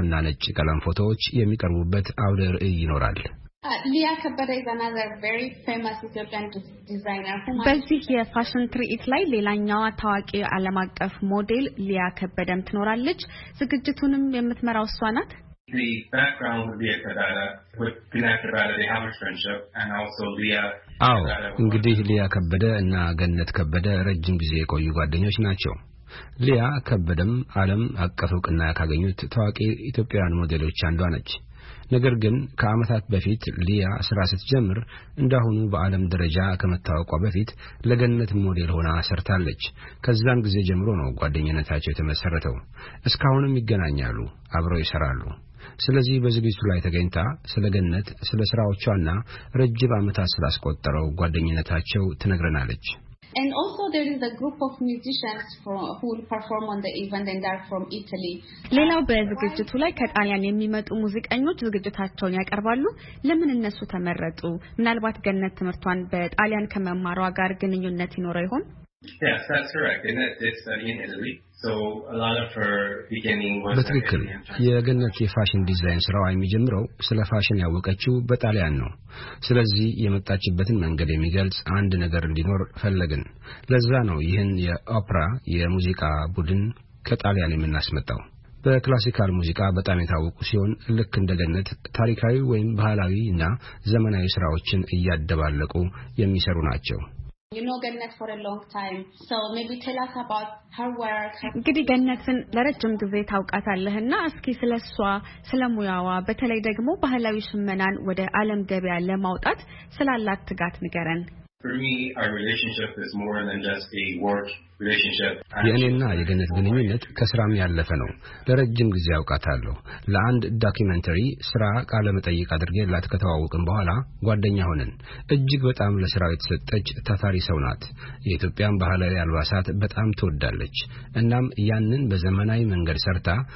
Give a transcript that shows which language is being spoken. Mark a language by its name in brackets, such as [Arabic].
[English] We will be introducing her new collection. ሊያ ከበደ is another very famous Ethiopian designer. [Amharic] በዚህ የፋሽን ትርኢት ላይ ሌላኛዋ ታዋቂ ዓለም አቀፍ ሞዴል ሊያ ከበደም ትኖራለች። ዝግጅቱንም የምትመራው እሷ ናት። [English] The background of Lia Kabada with Pinat Kabada, they have a friendship, and also Lia. [Amharic] አዎ እንግዲህ ሊያ ከበደ እና ገነት ከበደ ረጅም ጊዜ የቆዩ ጓደኞች ናቸው። ሊያ ከበደም ዓለም አቀፍ እውቅና ያገኙት ታዋቂ ኢትዮጵያውያን ሞዴሎች አንዷ ነች። ነገር ግን ከአመታት በፊት ሊያ ስራ ስትጀምር እንደሆነ በአለም ደረጃ ከመታወቋ በፊት ለገነት ሞዴል ሆና አሰርታለች። ከዛን ጊዜ ጀምሮ ነው ጓደኝነታቸው የተመሰረተው። እስካሁንም ይገናኛሉ፣ አብረው ይሰራሉ። ስለዚህ በዝግጅቱ ላይ ተገኝታ ስለገነት፣ ስለስራዎቿና ረጅም አመታት ስላስቆጠረው ጓደኝነታቸው ትነግረናለች። [English] And also there is a group of musicians who will perform on the event and they are from Italy. [Amharic] ሌላው በዝግጅቱ ላይ ከጣሊያን የሚመጡ ሙዚቀኞች ዝግጅታቸውን ያቀርባሉ። ለምን እነሱ ተመረጡ? ምናልባት ገነት ትምርቷን በጣሊያን ከመማሯ ጋር ግንኙነት ይኖረው ይሆን? [English] Yes, that's correct. In that they study in Italy. So a lot of her beginning was [Amharic] በትክክል የገነት የፋሽን ዲዛይን ስራው አይመጀምረው ስለ ፋሽን ያወቀችው በጣሊያን ነው። ስለዚህ የመጣችበትን መንገድ የሚገልጽ አንድ ነገር እንዲኖር ፈለግን። ለዛ ነው ይሄን የኦፕራ የሙዚቃ ቡድን ከጣሊያን የምናስመጣው። በክላሲካል ሙዚቃ በጣም የታወቁ ሲሆን ልክ እንደገነት ታሪካዊ ወይም ባህላዊና ዘመናዊ ስራዎችን እያደባለቁ የሚሰሩ ናቸው። [English] You know Gannett for a long time, so maybe tell us about her work. [Amharic] እንግዲህ ገነትን ለረጅም ጊዜ ታውቃታለህና እስኪ ስለሷ ስለሙያዋ በተለይ ደግሞ ባህላዊ ሽመናን ወደ ዓለም ገበያ ለማውጣት ስላላት ትጋት ንገረን። [English] For me, our relationship is more than just a work relationship. [Amharic] የኔና የገነት ግንኙነት ከስራም ያለፈ ነው። ለረጅም ጊዜ አውቃታለሁ። ለአንድ ዶክመንተሪ ስራ ቃለ መጠይቅ አድርጌላት ከተዋወቅን በኋላ ጓደኛ ሆነን። እጅግ በጣም ለስራው የተሰጠች ታታሪ ሰው ናት። የኢትዮጵያን ባህላዊ አልባሳት በጣም ትወዳለች። እናም ያንን በዘመናዊ መንገድ ሰርታ